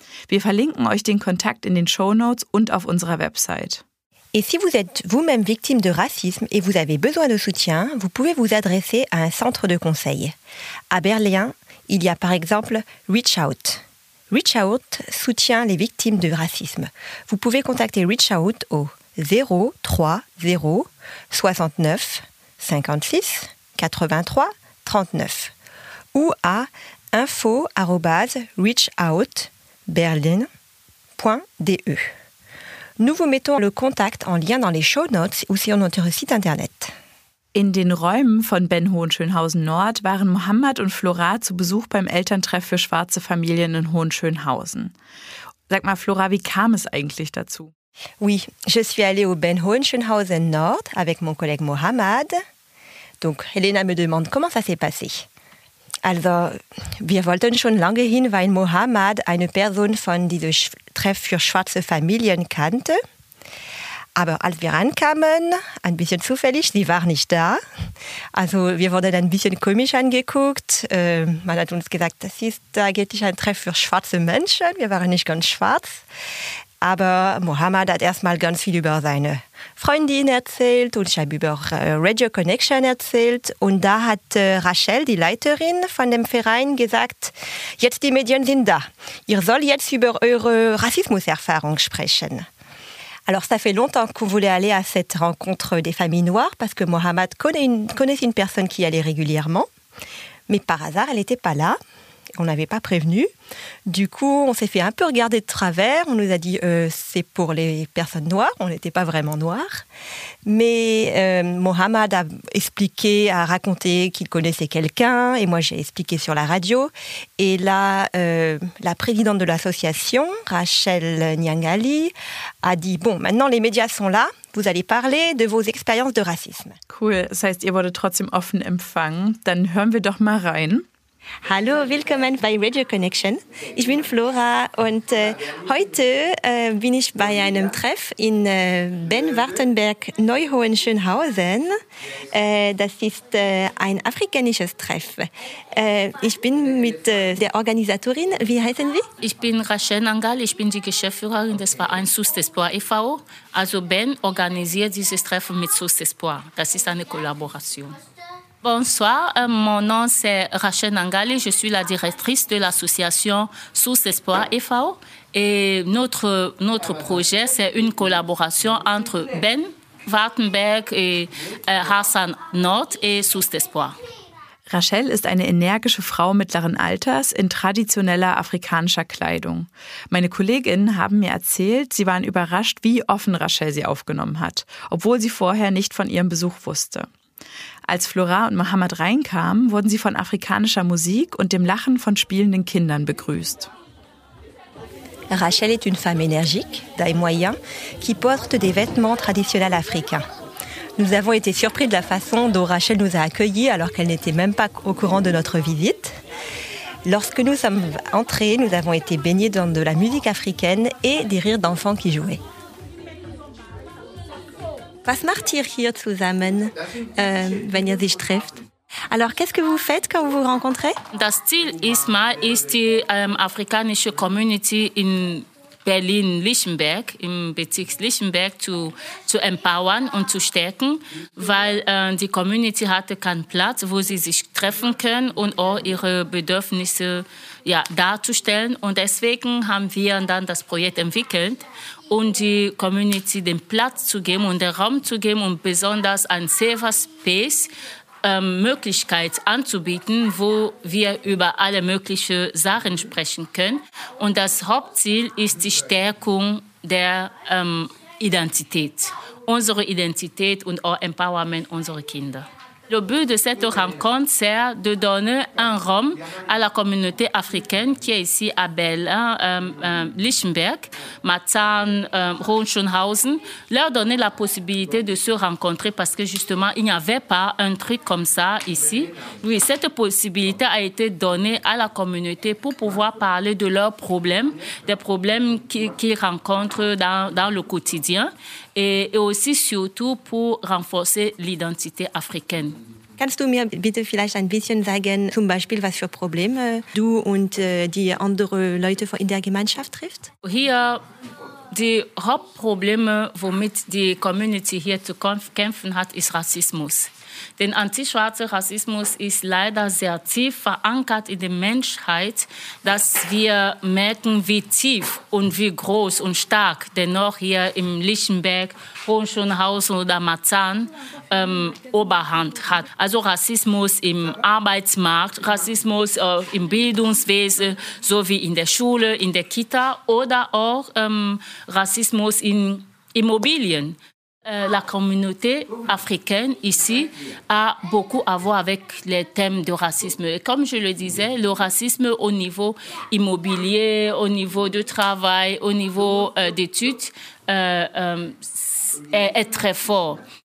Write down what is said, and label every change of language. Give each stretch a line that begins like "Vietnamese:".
German: Wir verlinken euch den Kontakt in den Shownotes und auf unserer Website.
French: Et si vous êtes vous-même victime de racisme et vous avez besoin de soutien, vous pouvez vous adresser à un centre de conseil. À Berlin, il y a par exemple Reach Out. Reach Out soutient les victimes de racisme. Vous pouvez contacter Reach Out au 030 69 56 83 39 ou à info@reachoutberlin.de. Nous vous mettons le contact en lien dans les show notes ou sur notre site internet.
German: In den Räumen von Ben Hohenschönhausen Nord waren Mohammed und Flora zu Besuch beim Elterntreff für schwarze Familien in Hohenschönhausen. Sag mal, Flora, wie kam es eigentlich dazu?
French: Oui, je suis allée au Ben Hohenschönhausen Nord avec mon collègue Mohammed. Donc, Helena me demande comment ça s'est passé.
German: Also, wir wollten schon lange hin, weil Mohammed eine Person von diesem Treff für schwarze Familien kannte. Aber als wir ankamen, ein bisschen zufällig, sie war nicht da. Also, wir wurden ein bisschen komisch angeguckt. Man hat uns gesagt, das ist eigentlich ein Treff für schwarze Menschen. Wir waren nicht ganz schwarz. Aber Mohammed hat erstmal ganz viel über seine Freundin erzählt und ich habe über Radio Connection erzählt. Und da hat Rachel, die Leiterin von dem Verein, gesagt, jetzt die Medien sind da. Ihr sollt jetzt über eure Rassismuserfahrung sprechen.
French: Alors ça fait longtemps qu'on voulait aller à cette rencontre des familles noires parce que Mohammed connaissait une personne qui allait régulièrement. Mais par hasard, elle n'était pas là. On n'avait pas prévenu. Du coup, on s'est fait un peu regarder de travers. On nous a dit c'est pour les personnes noires. On n'était pas vraiment noires. Mais Mohamed a expliqué, a raconté qu'il connaissait quelqu'un. Et moi, j'ai expliqué sur la radio. Et là, la présidente de l'association, Rachel Nyangali, a dit « Bon, maintenant les médias sont là. Vous allez parler de vos expériences de racisme. »
German: Cool. Das heißt, ihr wurde trotzdem offen empfangen. Dann hören wir doch mal rein. Hallo, willkommen bei Radio Connection. Ich bin Flora und heute bin ich bei einem Treff in Ben-Wartenberg-Neuhohenschönhausen. Das ist ein afrikanisches Treff. Ich bin mit der Organisatorin, wie heißen Sie? Ich bin Rachel Nyangali, ich bin die Geschäftsführerin des Vereins Source d'Espoir e.V. Also Ben organisiert dieses Treffen mit Source d'Espoir. Das ist eine Kollaboration.
French: Bonsoir, mon nom c'est Rachel Nyangali, je suis la directrice de l'association Source d'Espoir e.V. Et notre projet, c'est une collaboration entre Ben Wartenberg et Hassan Nord et Source d'Espoir.
German: Rachel ist eine energische Frau mittleren Alters in traditioneller afrikanischer Kleidung. Meine Kolleginnen haben mir erzählt, sie waren überrascht, wie offen Rachel sie aufgenommen hat, obwohl sie vorher nicht von ihrem Besuch wusste. Als Flora und Mohamed reinkamen, wurden sie von afrikanischer Musik und dem Lachen von spielenden Kindern begrüßt. Rachel ist eine Frau
French: énergique, d'ailleurs moyen, qui porte des vêtements traditionnels africains. Nous avons été surpris de la façon dont Rachel nous a accueillis alors qu'elle n'était même pas au courant de notre visite. Lorsque nous sommes entrés, nous avons été baignés dans de la musique africaine et des rires d'enfants qui jouaient.
German: Was macht ihr hier zusammen, wenn ihr sich trefft?
French: Alors, qu'est-ce que vous faites quand vous vous rencontrez?
German: Das Ziel ist mal, ist die afrikanische Community in Berlin-Lichtenberg, im Bezirk Lichtenberg zu empowern und zu stärken, weil die Community hatte keinen Platz, wo sie sich treffen können und auch ihre Bedürfnisse ja, darzustellen. Und deswegen haben wir dann das Projekt entwickelt, um die Community den Platz zu geben und den Raum zu geben und besonders ein Safe Space Möglichkeit anzubieten, wo wir über alle möglichen Sachen sprechen können. Und das Hauptziel ist die Stärkung der Identität, unsere Identität und auch Empowerment unserer Kinder.
French: Le but de cette rencontre, c'est de donner un rhum à la communauté africaine qui est ici à Berlin, Lichtenberg, Matzahn, Hohenschönhausen, leur donner la possibilité de se rencontrer parce que justement, il n'y avait pas un truc comme ça ici. Oui, cette possibilité a été donnée à la communauté pour pouvoir parler de leurs problèmes, des problèmes qu'ils rencontrent dans le quotidien. Et aussi, surtout, pour renforcer l'identité africaine.
German: Kannst du mir bitte vielleicht ein bisschen sagen, zum Beispiel, was für Probleme du und die anderen Leute in der Gemeinschaft trifft? Hier, die Hauptprobleme, womit die Community hier zu kämpfen hat, ist Rassismus. Denn antischwarzer Rassismus ist leider sehr tief verankert in der Menschheit, dass wir merken, wie tief und wie groß und stark dennoch hier im Lichtenberg, Hohenschönhausen oder Matzahn Oberhand hat. Also Rassismus im Arbeitsmarkt, Rassismus im Bildungswesen, sowie in der Schule, in der Kita oder auch Rassismus in Immobilien.
French: La communauté africaine ici a beaucoup à voir avec les thèmes de racisme. Et comme je le disais, le racisme au niveau immobilier, au niveau de travail, au niveau d'études est très fort.